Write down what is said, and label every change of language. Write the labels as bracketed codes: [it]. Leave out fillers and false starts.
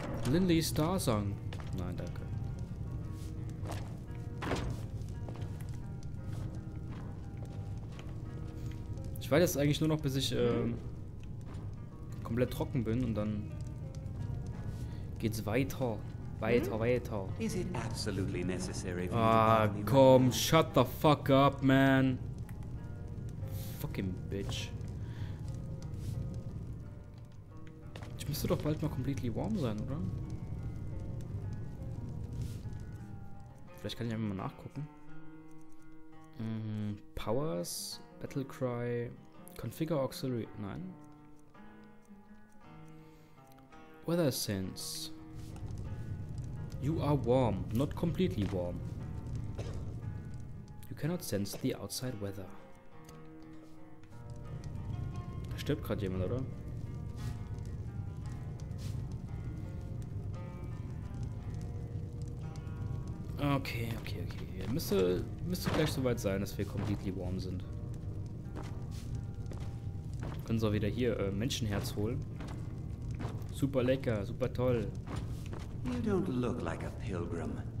[de] Lindley Starsong. Nein, danke. Ich warte jetzt eigentlich nur noch, bis ich komplett trocken bin und dann geht's weiter. Weiter. [en] Is it absolutely necessary for come, shut the fuck up, man. Fucking bitch. [de] Ich müsste doch bald mal [en] completely warm [de] sein, oder? Vielleicht kann ich einfach mal nachgucken. [en] Powers, Battlecry, Configure Auxiliary. [de] Nein. [en] Weather Sense. You are warm, not completely warm. You cannot sense the outside weather. [de] Da stirbt gerade jemand, oder? Okay. Müsste gleich soweit sein, dass wir [en] completely warm [de] sind. Können sie auch wieder hier Menschenherz holen. Super lecker, super toll. [en] You don't look like a pilgrim.